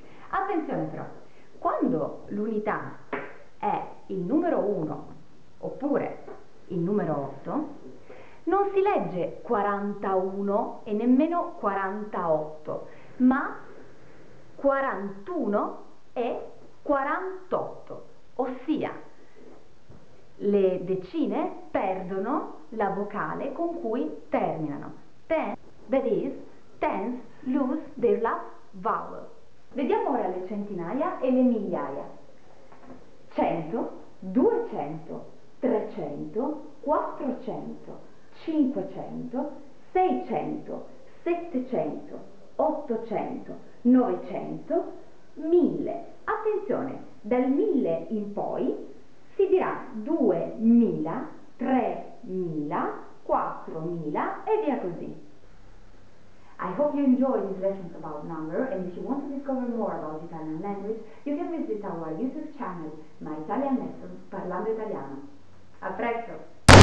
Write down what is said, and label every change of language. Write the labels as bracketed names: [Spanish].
[Italian] Attenzione però, quando l'unità è il numero 1 oppure il numero 8, non si legge 41 e nemmeno 48, ma 41 e 48, ossia le decine perdono la vocale con cui terminano. [English] Tens, that is, tens lose their last vowel. [Italian] Vediamo ora le centinaia e le migliaia. 100, 200, 300, 400. 500, 600, 700, 800, 900, 1000. Attenzione, dal 1000 in poi si dirà 2000, 3000, 4000 e via così. [English] I hope you enjoyed these lessons about number and if you want to discover more about the Italian language, you can visit our YouTube channel, My Italian Lessons, Parlando Italiano. [Italian] A presto!